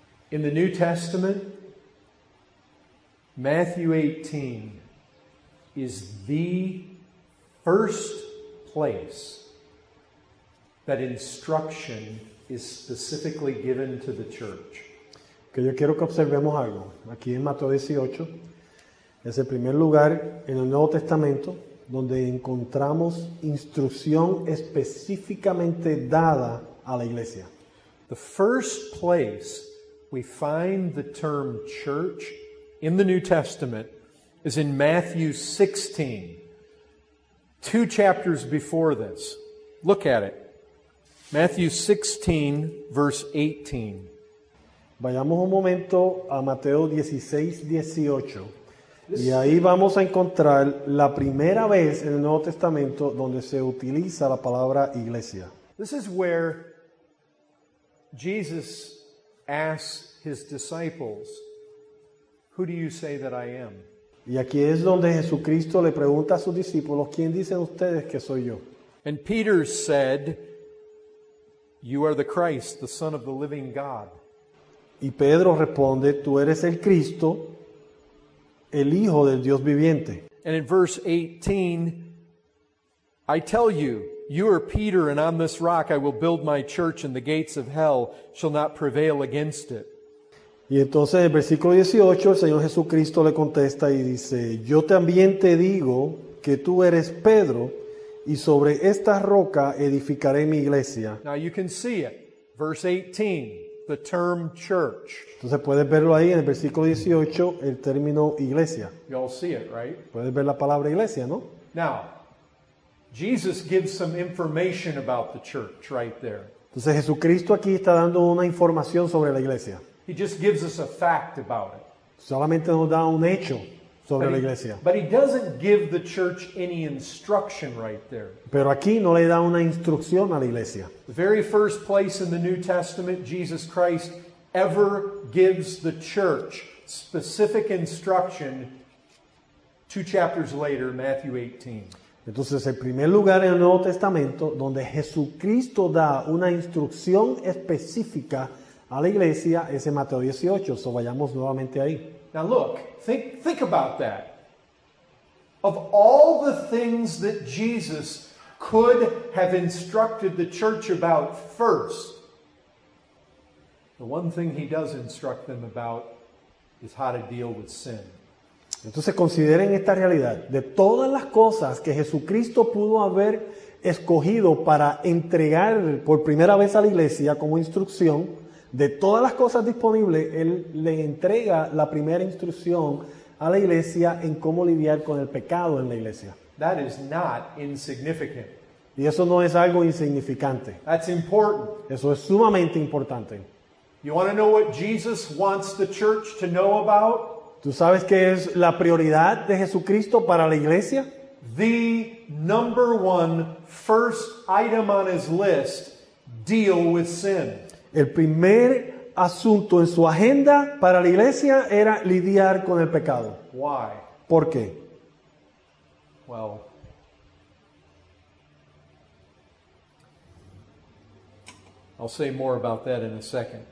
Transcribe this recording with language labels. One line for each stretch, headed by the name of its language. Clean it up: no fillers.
English: In the New Testament, Matthew 18 is the first place that instruction is specifically given to the church.
Spanish: Que yo quiero que observemos algo. Aquí en Mateo 18 es el primer lugar en el Nuevo Testamento donde encontramos instrucción específicamente dada a la iglesia.
English: The first place we find the term church in the New Testament is in Matthew 16, two chapters before this. Look at it. Matthew 16, verse 18.
Spanish: Vayamos un momento a Mateo 16, 18. Y ahí vamos a encontrar la primera vez en el Nuevo Testamento donde se utiliza la palabra iglesia.
English: This is where Jesus asks his disciples, "Who do you say that I am?"
Spanish: Y aquí es donde Jesucristo le pregunta a sus discípulos, "¿Quién dicen ustedes que soy yo?"
English: And Peter said, "You are the Christ, the Son of the living God."
Spanish: Y Pedro responde, "Tú eres el Cristo, el Hijo del Dios viviente."
English: And in verse 18, "I tell you, you are Peter, and on this rock I will build my church, and the gates of hell shall not prevail against it."
Spanish: Y entonces en el versículo 18, el Señor Jesucristo le contesta y dice, "Yo también te digo que tú eres Pedro, y sobre esta roca edificaré mi iglesia."
English: Now you can see it. Verse 18, the term church.
Spanish: Entonces puedes verlo ahí en el versículo 18, el término iglesia.
English: You all see it, right?
Spanish: Puedes ver la palabra iglesia, ¿no?
English: Now, Jesus gives some information about the church right there.
Spanish: Entonces Jesucristo aquí está dando una información sobre la iglesia.
English: He just gives us a fact about it.
Spanish: Solamente nos da un hecho sobre la iglesia.
English: But he doesn't give the church any instruction right there.
Spanish: Pero aquí no le da una instrucción a la iglesia.
English: The very first place in the New Testament Jesus Christ ever gives the church specific instruction, two chapters later, Matthew 18.
Spanish: Entonces, el primer lugar en el Nuevo Testamento donde Jesucristo da una instrucción específica a la iglesia es en Mateo 18. So vayamos nuevamente ahí.
English: Now look, think about that. Of all the things that Jesus could have instructed the church about first, the one thing he does instruct them about is how to deal with sin.
Spanish: Entonces consideren esta realidad. De todas las cosas que Jesucristo pudo haber escogido para entregar por primera vez a la iglesia como instrucción, de todas las cosas disponibles, él le entrega la primera instrucción a la iglesia en cómo lidiar con el pecado en la iglesia.
English: That is not insignificant.
Spanish: Y eso no es algo insignificante.
English: That's important.
Spanish: Eso es sumamente importante.
English: You want to know what Jesus wants the church to know about?
Spanish: ¿Tú sabes qué es la prioridad de Jesucristo para la iglesia?
English: The number one, first item on his list, deal with sin.
Spanish: El primer asunto en su agenda para la iglesia era lidiar con el pecado.
English: Why?
Spanish: ¿Por qué?
English: Well, I'll say more about that in a second.